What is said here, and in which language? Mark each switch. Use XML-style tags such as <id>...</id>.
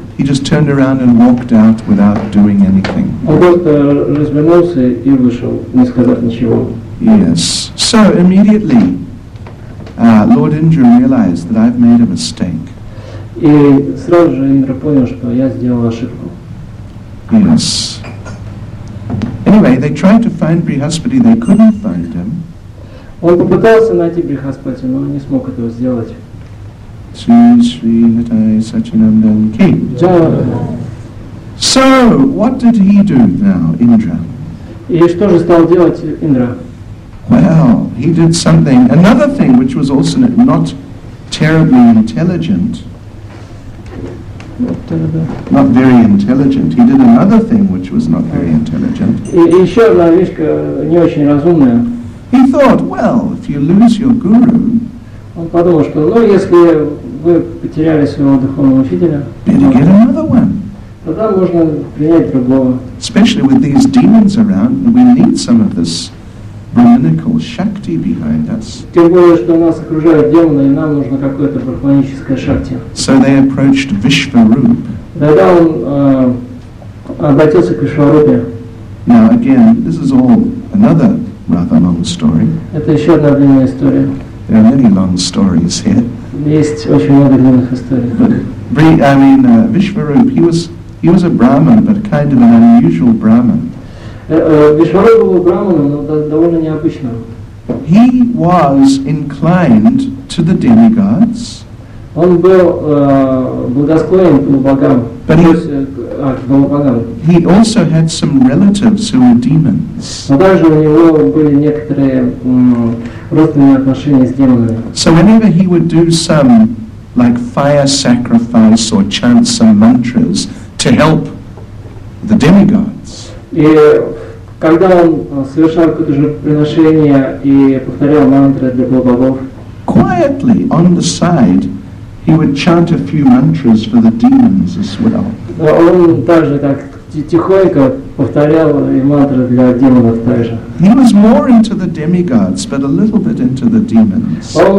<en>He just turned around and walked out without doing anything.</en> <ru>Он просто развернулся и вышел, не сказав ничего.</ru> <en>Yes. So immediately Lord Indra realized that I've made a mistake.</en> <ru>И сразу же Индра понял, что я сделал ошибку.</ru> <en>Yes. Anyway, they tried to find Brihaspati, they couldn't find him.</en> <ru>Он попытался найти Брихаспати, но не смог этого сделать.</ru> <en>So, what did he do now, Indra?</en> <ru>И что же стал делать Индра?</ru> <en>Well, he did something. Another thing, which was also not terribly intelligent. Not very intelligent. He did another thing, which was not very intelligent.</en> <ru>И еще одна вещь, не очень разумная.</ru> <en>He thought, well, if you lose your guru.</en> <ru>Он подумал, что, ну, если вы потеряли своего духовного учителя, тогда можно принять другого.</ru> <en>Especially with these demons around, we need some of this brahminical shakti behind us.</en> <ru>Тем более, что нас окружают демоны, и нам нужно какое-то брахманическое шакти.</ru> <en>So they approached Vishwaroop.</en> <ru>Тогда он обратился к Вишварупе.</ru> <en>Now again, this is all another rather long story.</en> <ru>Это еще одна длинная история.</ru> <en>There are many long stories here.</en> <ru>Есть очень много длинных историй.</ru> <en>Vishwaroop, he was a Brahmin, but kind of an unusual Brahmin.</en> <ru>Vishwaroop был Брахманом, но довольно необычным.</ru> <en>He was inclined to the demigods.</en> <ru>Он был благосклонен к богам.</ru> <en>But he also had some relatives who were demons.</en> <ru>Но также у него были некоторые родственные отношения с демонами.</ru> <en>So whenever he would do some like fire sacrifice or chant some mantras to help the demigods.</en> <ru>И когда он совершал какое-то жертвоприношение и повторял мантры для богов.</ru> <en>Quietly on the side. He would chant a few mantras for the demons as well. He was more into the demigods, but a little bit into the demons.</en>